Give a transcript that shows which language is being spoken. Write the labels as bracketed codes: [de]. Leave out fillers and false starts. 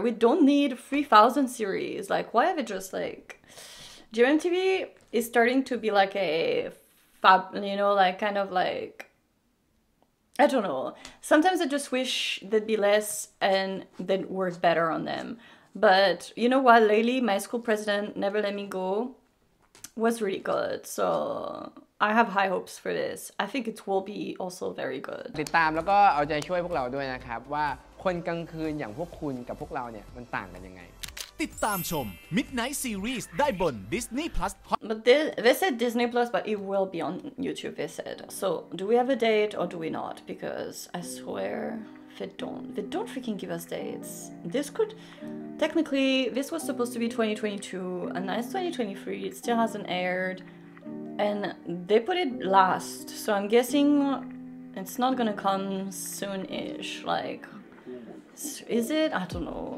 [en] We don't need 3,000 series. Like, why are they just like, GMTV is starting to be like a fab, you know, like kind of like,I don't know. Sometimes I just wish there'd be less and then work better on them. But you know what? Lately, my school president, Never Let Me Go, was really good. So I have high hopes for this. I think it will be also very good. [th] ติดตามแล้วก็เอาใจช่วยพวกเราด้วยนะครับว่าคนกลางคืนอย่างพวกคุณกับพวกเราเนี่ยมันต่างกันยังไง ติดตามชม Midnight Series ได้บน Disney Plus [en] But they said Disney Plus but it will be on YouTube they said So do we have a date or do we not? Because I swear they don't freaking give us dates This could technically this was supposed to be 2022 and now it's 2023 it still hasn't aired and they put it last so I'm guessing it's not gonna come soon-ish likeIs it? I don't know.